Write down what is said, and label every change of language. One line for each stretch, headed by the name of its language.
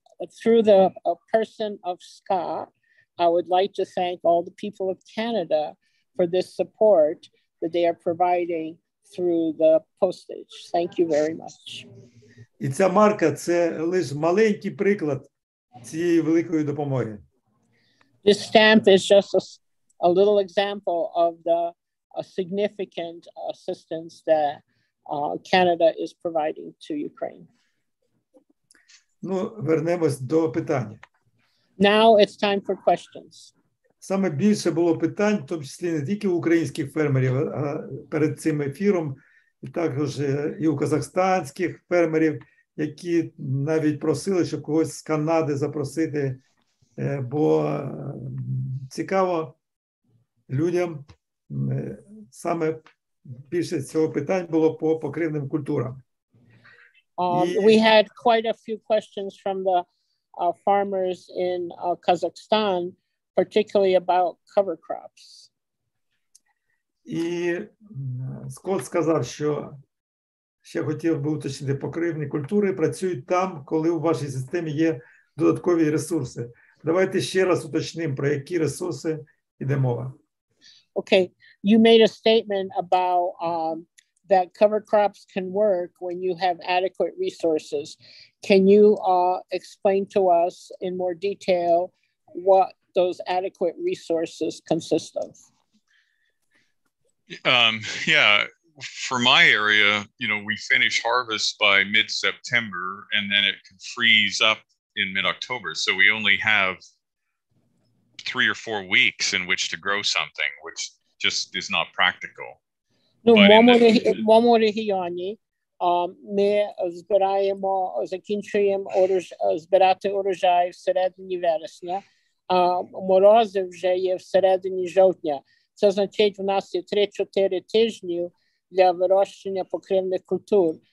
English: Through the person of Scott, I would like to thank all the people of Canada for this support that they are providing through the postage. Thank you very much.
Ukrainian: І ця марка – це лише маленький приклад цієї великої допомоги.
English: This stamp is just a little example of the significant assistance that Canada is providing to Ukraine.
Ukrainian: Ну, вернемось до питання.
English: Now it's time for questions.
Ukrainian: Саме більше було питань, в тому числі не тільки в українських фермерів, а перед цим ефіром, і також і у казахстанських фермерів, які навіть просили, щоб когось з Канади запросити, бо цікаво людям саме більше цього питань було по покривним культурам.
English: We had quite a few questions from the farmers in Kazakhstan, particularly about cover crops.
Ukrainian: І Скотт сказав, що ще хотів би уточнити, покривні культури працюють там, коли у вашій системі є додаткові ресурси. Давайте ще раз уточнимо, про які ресурси йде мова.
English: Okay, you made a statement about that cover crops can work when you have adequate resources. Can you explain to us in more detail what those adequate resources consist of? For my area, you know, we finish harvest by mid-September and then it can freeze up in mid-October. So we only have 3 or 4 weeks in which to grow something, which just is not practical.
Ukrainian: Ну, в моєму регіоні ми збираємо, закінчуємо збирати урожай в середині вересня, а морози вже є в середині жовтня. Це означає, в нас є 3-4 тижні для вирощення покривних культур.